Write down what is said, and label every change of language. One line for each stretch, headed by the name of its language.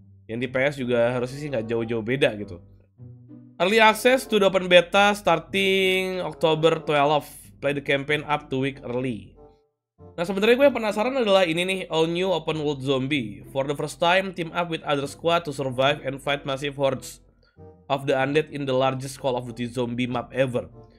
Indonesian: Yang di PS juga harusnya sih nggak jauh-jauh beda gitu.
English: Early access to the open beta starting October 12. Play the campaign up to week early.
Indonesian: Nah sebenarnya gue yang penasaran adalah ini nih,
English: all new open world zombie. For the first time, team up with other squad to survive and fight massive hordes of the undead in the largest Call of Duty zombie map ever.